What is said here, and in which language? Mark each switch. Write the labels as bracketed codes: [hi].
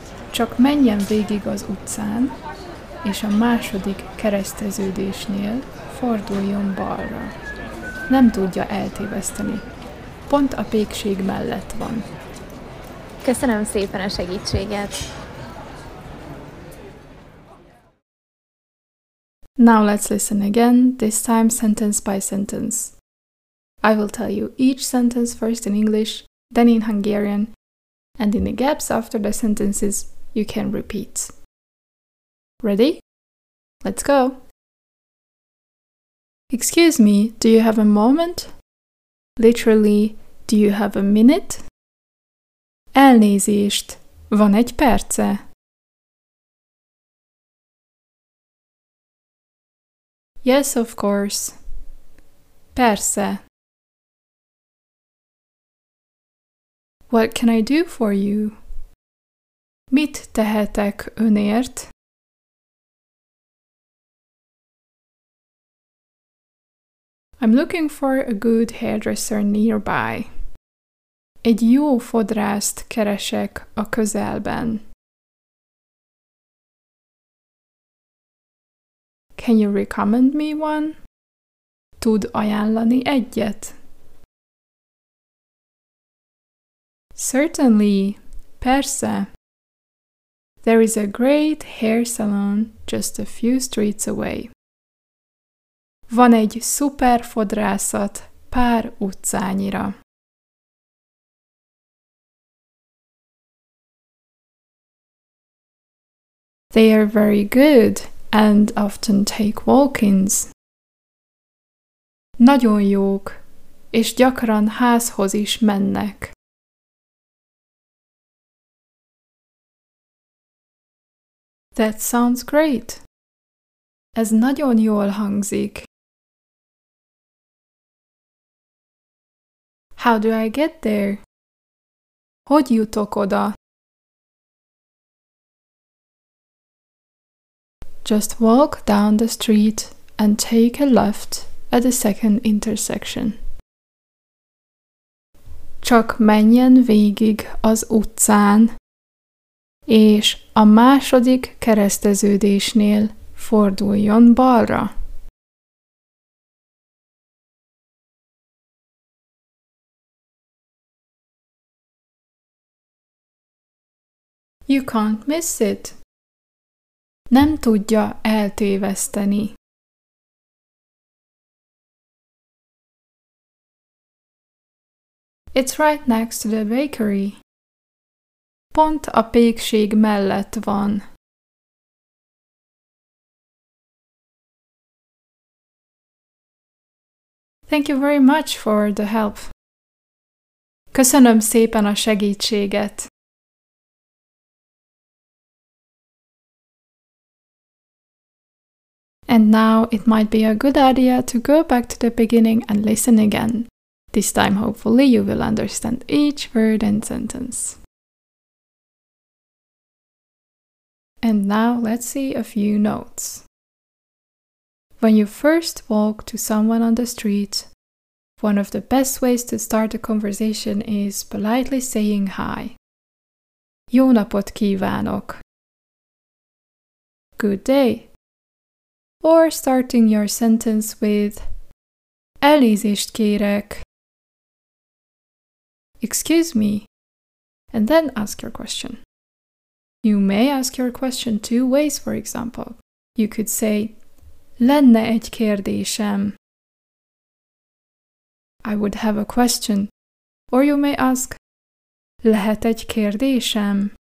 [hu] Csak menjen végig az utcán, és a második kereszteződésnél forduljon balra. Nem tudja eltéveszteni. Pont a pékség mellett van. Köszönöm szépen a segítséget! [en] Now let's listen again, this time sentence by sentence. I will tell you each sentence first in English, then in Hungarian, and in the gaps after the sentences, you can repeat. Ready? Let's go! Excuse me, do you have a moment? Literally, do you have a minute? [hu] Elnézést, van egy perce? [en] Yes, of course. [hu] Persze. [en] What can I do for you? [hu] Mit tehetek önért? [en] I'm looking for a good hairdresser nearby. [hu] Egy jó fodrászt keresek a közelben. [en] Can you recommend me one? [hu] Tud ajánlani egyet? [en] Certainly, persze. There is a great hair salon just a few streets away. [hu] Van egy szuper fodrászat pár utcányira. [en] They are very good and often take walk-ins. [hu] Nagyon jók, és gyakran házhoz is mennek. [en] That sounds great. [hu] Ez nagyon jól hangzik. [en] How do I get there? [hu] Hogy jutok oda? [en] Just walk down the street and take a left at the second intersection. [hu] Csak menjen végig az utcán, és a második kereszteződésnél forduljon balra. [en] You can't miss it. [hu] Nem tudja eltéveszteni. [en] It's right next to the bakery. [hu] Pont a pékség mellett van. [en] Thank you very much for the help. [hu] Köszönöm szépen a segítséget. [en] And now it might be a good idea to go back to the beginning and listen again. This time, hopefully, you will understand each word and sentence. And now let's see a few notes. When you first walk to someone on the street, one of the best ways to start a conversation is politely saying hi. [hu] Jó napot kívánok! [en] good day. Or starting your sentence with [hu] elnézést kérek. [en] Excuse me. And then ask your question. You may ask your question two ways, for example. You could say, [hu] lenne egy kérdésem. [en] I would have a question. Or you may ask, [hu] lehet egy kérdésem.